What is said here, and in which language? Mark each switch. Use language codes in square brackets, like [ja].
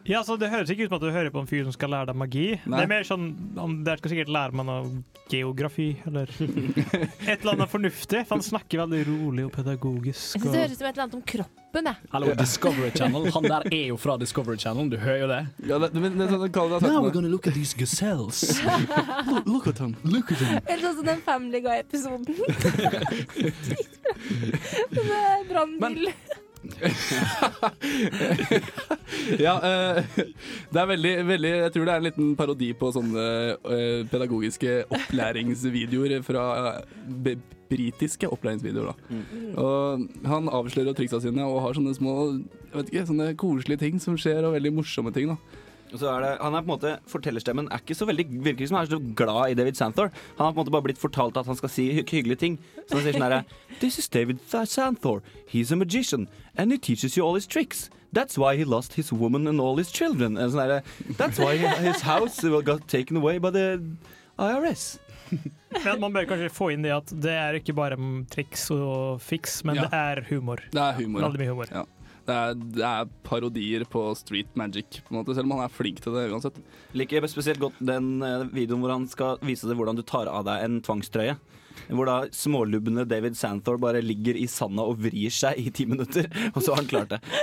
[no] Ja, så det høres ikke ut som at du hører på en fyr som skal lære deg magi. Nei. Det er mer sånn, der skal sikkert lære meg noe geografi, eller et eller annet fornuftig, for han snakker veldig rolig og pedagogisk. Jeg synes det høres ut som et eller annet om kroppen, jeg. Hallo, Discovery Channel. Han der er jo fra Discovery Channel, du hører jo det. Ja, det er sånn Khalid har sagt. [en] Now we're gonna look at these gazelles. Look at them, look at them. [no] Helt sånn som den Family Guy-episoden. Brannbil. Ja, det er veldig, veldig. Jeg tror det er en liten parodi på sånne pedagogiske opplæringsvideoer fra britiske opplæringsvideoer da. Og han avslører triksa sine og har sånne små, jeg vet ikke, sånne koselige ting som skjer og veldig morsomme ting da. Så er det, han er på en måte, fortellerstemmen er ikke så veldig, virker ikke som han er så glad i David Sandthor. Han har på en måte bare blitt fortalt at han skal si hyggelige ting. Så han sier sånn her: [en] This is David Sandthor, he's a magician, and he teaches you all his tricks. That's why he lost his woman and all his children. And [no] sånn her, [en] that's why his house got taken away by the IRS. [no] Men man bør kanskje få inn det at det er ikke bare triks og fiks, men ja. Det er humor. Det er humor. Veldig mye humor. Ja. Det er parodier på street magic på en måte, selv om han er flink til det uansett. Liker spesielt godt den videoen hvor han skal vise deg hvordan du tar av deg en tvangstrøye, hvor da smålubbende David Sandthor bare ligger i sanda og vrir seg i 10 minutter, og så har han klart det.